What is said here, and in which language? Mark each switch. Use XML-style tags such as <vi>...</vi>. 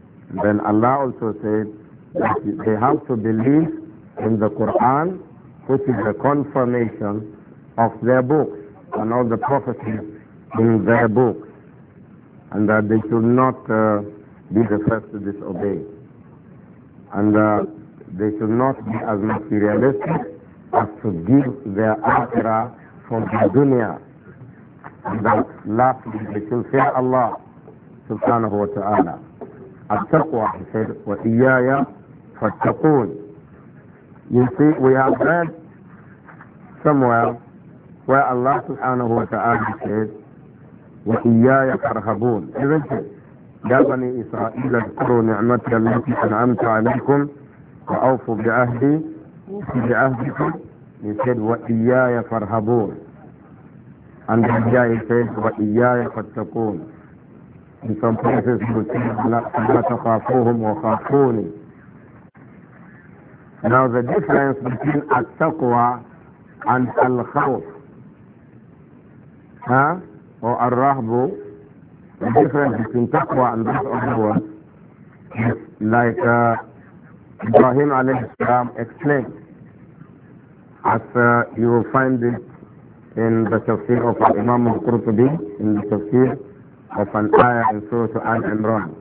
<en>And then Allah also said that they have to believe in the Quran, which is the confirmation of their books and all the prophecies in their books, and that they should not be the first to disobey, and they should not be as materialistic as to give their akhirah for the dunya, and that lastly they should fear Allah subhanahu wa ta'ala. At-taqwa, he said, wa iyaya fattaqoon. You see, we have read somewhere where Allah subhanahu wa ta'ala said, wa iyaya farhaboon, isn't it?</en> <ar>يا بني إسرائيل اذكروا نعمتي التي أنعمت عليكم وأوفوا بعهدي وفي بعهدكم.</ar> <en>He said,</en> <ar>وإياي فارهبون. And إياي said, وإياي فاتقون.</ar> <en>In some places he would say,</en> <ar>لا تخافوهم وخافوني.</ar> <en>Now the difference between التقوى and الخوف, or الرهب, the difference between taqwa and this other one is like Ibrahim alayhi salam explained, as you will find it in the tafsir of Imam al-Qurtubi, in the tafsir of an ayah in Surah Al-Imran.</en>